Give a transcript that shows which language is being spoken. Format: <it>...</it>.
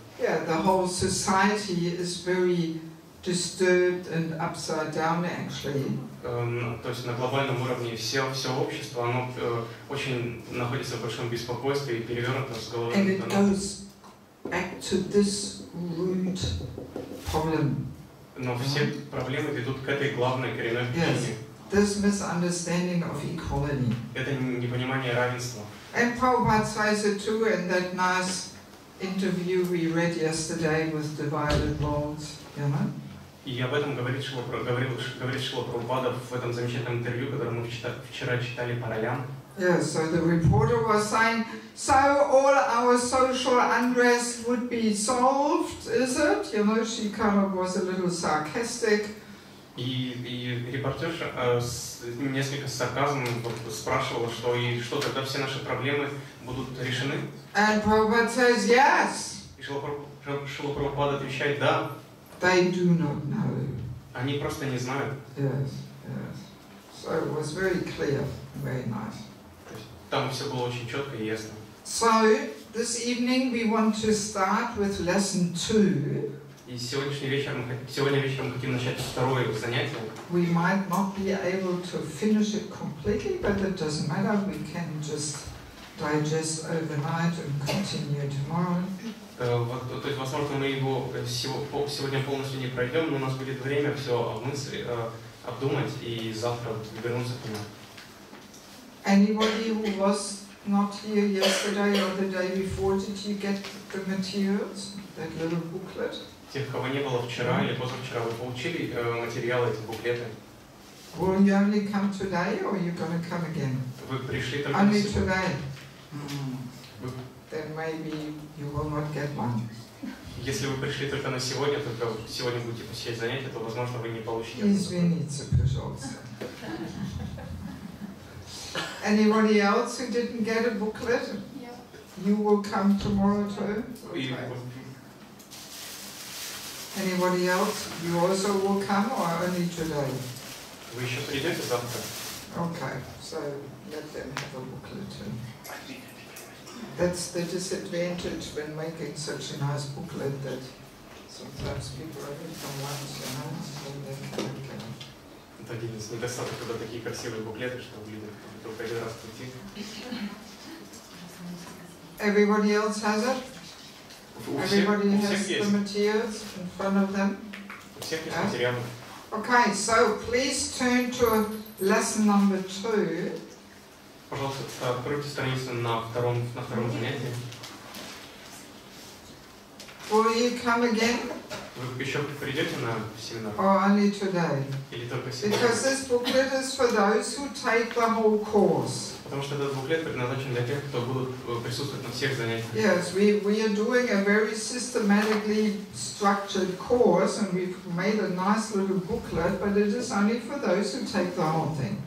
<en>Yeah, the whole society is very disturbed and upside down actually.</en> <ru>То есть на глобальном уровне все общество, оно очень находится в большом беспокойстве и перевернуто с головы на ноги.</ru> <en>Back to this root problem.</en> <ru>Но все проблемы ведут к этой главной коренной причине.</ru> <en>Yes. This misunderstanding of equality.</en> <ru>Это непонимание равенства.</ru> <en>And Prabhupada says it too in that nice interview we read yesterday with the Violet Lord, Яна.</en> <ru>И об этом говорит Шила Прабхупада в этом замечательном интервью, которое мы вчера читали по ролям.</ru> <en>Yes, so the reporter was saying, so all our social unrest would be solved, is it? You know, she kind of was a little sarcastic.</en> <ru>И репортерша несколько с сарказмом спрашивала, что тогда все наши проблемы будут решены.</ru> <en>And Prabhupada says, yes.</en> <ru>И Шила Прабхупада отвечает, да.</ru> <en>They do not know.</en> <ru>Они просто не знают.</ru> <en>Yes, yes. So it was very clear, very nice.</en> <ru>Там все было очень четко и ясно.</ru> <en>So, this evening we want to start with lesson 2.</en> <ru>И сегодня вечером мы хотим начать второе занятие.</ru> <en>We might not be able to finish it completely, but it doesn't matter. We can just digest overnight and continue tomorrow.</en> <ru>То есть, возможно, мы его сегодня полностью не пройдем, но у нас будет время все обдумать и завтра вернуться к нему.</ru> <en>Anybody who was not here yesterday or the day before, did you get the materials, that little booklet?</en> <ru>Тех, кого не было вчера или позавчера, вы получили материалы, эти буклеты?</ru> <en>Will you only come today or are you going to come again?</en> <ru>Вы пришли только сегодня.</ru> <en>Only today? Then maybe you will not get one.</en> <ru>Если вы пришли только на сегодня, только сегодня будете посещать занятия, то, возможно, вы не получите. Извините, пожалуйста.</ru> <en>Anybody else who didn't get a booklet? Yep. You will come tomorrow too? Okay. Anybody else? You also will come or only today? We should be there sometime. Okay, so let them have a booklet too. That's the disadvantage when making such a nice booklet that sometimes people only come once, you know, so they can't get it.</en> <ru>Это один из недостатков, когда такие красивые буклеты, что люди только один раз пути.</ru> <en>Everybody else has it? Everybody has the materials in front of them?</en> <ru>У всех есть материалы.</ru> <en>Okay, so please turn to lesson number 2.</en> <ru>Пожалуйста, откройте страницу на втором занятии.</ru> <en>Will you come again?</en> <ru>Вы еще придете на семинар?</ru> <en>Or only today?</en> <ru>Или только сегодня?</ru> <en>Because this booklet is for those who take the whole course.</en> <ru>Потому что этот буклет предназначен для тех, кто будут присутствовать на всех занятиях.</ru> <en>Yes, we are doing a very systematically structured course, and we've made a nice little booklet, but it is only for those who take the whole thing.</en>